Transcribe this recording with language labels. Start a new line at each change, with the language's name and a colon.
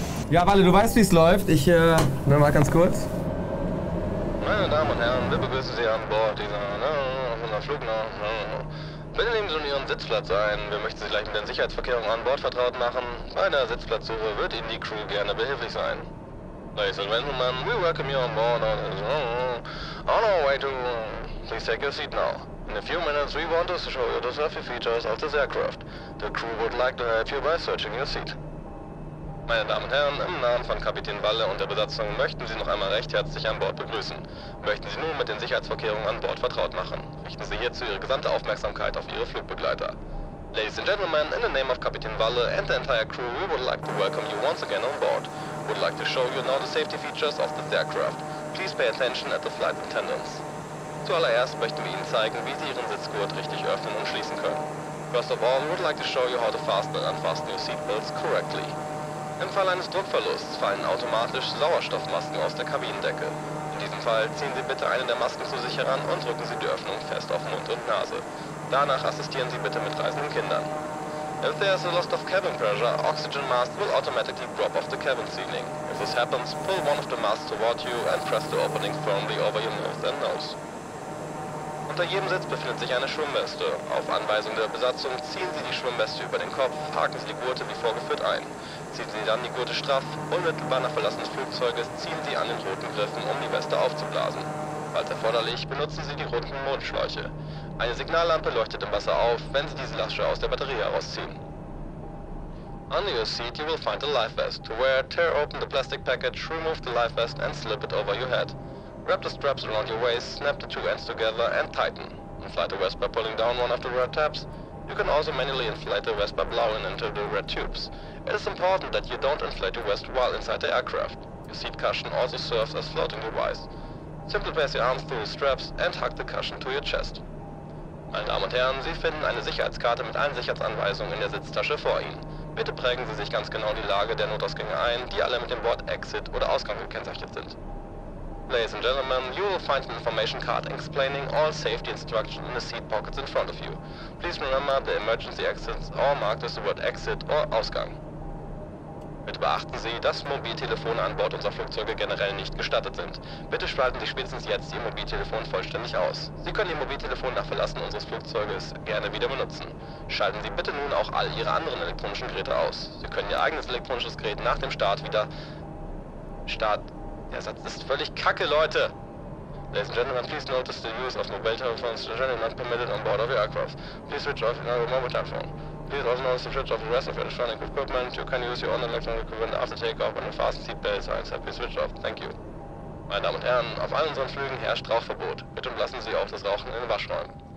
German: Ja, Walle, du weißt, wie es läuft. Ich nur mal ganz kurz. Meine Damen und Herren, wir begrüßen Sie an Bord dieser Flug nach. Bitte nehmen Sie nun Ihren Sitzplatz ein. Wir möchten Sie gleich mit den Sicherheitsvorkehrungen an Bord vertraut machen. Bei der Sitzplatzsuche wird Ihnen die Crew gerne behilflich sein.
English: Ladies and gentlemen, we welcome you on board on our way to... Please take your seat now. In a few minutes, we want to show you the safety features of this aircraft. The crew would like to help you by searching your seat.
German: Meine Damen und Herren, im Namen von Kapitän Walle und der Besatzung möchten Sie noch einmal recht herzlich an Bord begrüßen. Möchten Sie nun mit den Sicherheitsvorkehrungen an Bord vertraut machen. Richten Sie hierzu Ihre gesamte Aufmerksamkeit auf Ihre Flugbegleiter.
English: Ladies and Gentlemen, in the name of Kapitän Walle and the entire crew, we would like to welcome you once again on board. We would like to show you now the safety features of this aircraft. Please pay attention at the flight attendants.
German: Zuallererst möchten wir Ihnen zeigen, wie Sie Ihren Sitzgurt richtig öffnen und schließen können.
English: First of all, we would like to show you how to fasten and unfasten your seatbelts correctly.
German: Im Fall eines Druckverlusts fallen automatisch Sauerstoffmasken aus der Kabinendecke. In diesem Fall ziehen Sie bitte eine der Masken zu sich heran und drücken Sie die Öffnung fest auf Mund und Nase. Danach assistieren Sie bitte mit reisenden Kindern.
English: If there is a loss of cabin pressure, oxygen mask will automatically drop off the cabin ceiling. If this happens, pull one of the masks toward you and press the opening firmly over your mouth and nose.
German: Unter jedem Sitz befindet sich eine Schwimmweste. Auf Anweisung der Besatzung ziehen Sie die Schwimmweste über den Kopf, haken Sie die Gurte wie vorgeführt ein. Ziehen Sie dann die Gurte straff, unmittelbar nach Verlassen des Flugzeuges ziehen Sie an den roten Griffen, um die Weste aufzublasen. Falls erforderlich, benutzen Sie die roten Mondschläuche. Eine Signallampe leuchtet im Wasser auf, wenn Sie diese Lasche aus der Batterie herausziehen.
English: Under your seat you will find a life vest. To wear, tear open the plastic package, remove the life vest and slip it over your head. Wrap the straps around your waist, snap the two ends together and tighten. Inflate the vest by pulling down one of the red tabs. You can also manually inflate the vest by blowing into the red tubes. It is important that you don't inflate your vest while inside the aircraft. Your seat cushion also serves as floating device. Simply place your arms through the straps and hug the cushion to your chest.
German: Meine Damen und Herren, Sie finden eine Sicherheitskarte mit allen Sicherheitsanweisungen in der Sitztasche vor Ihnen. Bitte prägen Sie sich ganz genau die Lage der Notausgänge ein, die alle mit dem Wort Exit oder Ausgang gekennzeichnet sind.
English: Ladies and gentlemen, you will find an information card explaining all safety instructions in the seat pockets in front of you. Please remember the emergency exits are marked as the word Exit or Ausgang.
German: Bitte beachten Sie, dass Mobiltelefone an Bord unserer Flugzeuge generell nicht gestattet sind. Bitte schalten Sie spätestens jetzt Ihr Mobiltelefon vollständig aus. Sie können Ihr Mobiltelefon nach Verlassen unseres Flugzeuges gerne wieder benutzen. Schalten Sie bitte nun auch all Ihre anderen elektronischen Geräte aus. Sie können Ihr eigenes elektronisches Gerät nach dem Start wieder... Start... Der Satz ist völlig kacke, Leute!
English: Ladies and gentlemen, please notice the use of mobile telephones generally not permitted on board of your aircraft. Please switch off your mobile telephone. Please also notice the switch off the rest of your electronic equipment. You can use your own electronic equipment after takeoff and the fasten seatbelt signs have been switched off. Thank you.
German: Meine Damen und Herren, auf allen unseren Flügen herrscht Rauchverbot. Bitte lassen Sie auch das Rauchen in den Waschräumen.